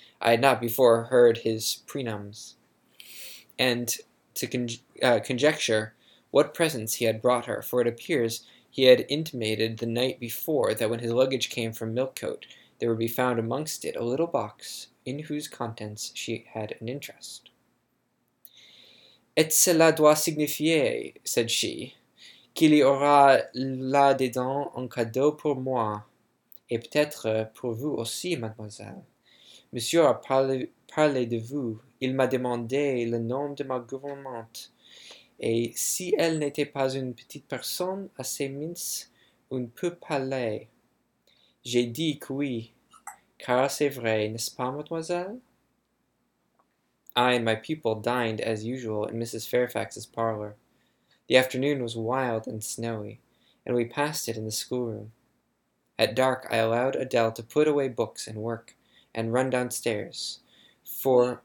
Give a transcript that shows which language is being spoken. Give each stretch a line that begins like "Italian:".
English: I had not before heard his prenums, and to conjecture what presents he had brought her, for it appears he had intimated the night before that when his luggage came from Millcote, there would be found amongst it a little box in whose contents she had an interest.
French: "Et cela doit signifier,"
English: said she,
French: "qu'il y aura là-dedans un cadeau pour moi. Et peut-être pour vous aussi, mademoiselle. Monsieur a parlé de vous. Il m'a demandé le nom de ma gouvernante. Et si elle n'était pas une petite personne assez mince, un peu pâlée. J'ai dit que oui, car c'est vrai, n'est-ce pas, mademoiselle?"
English: I and my pupil dined, as usual, in Mrs. Fairfax's parlor. The afternoon was wild and snowy, and we passed it in the schoolroom. At dark, I allowed Adele to put away books and work and run downstairs for...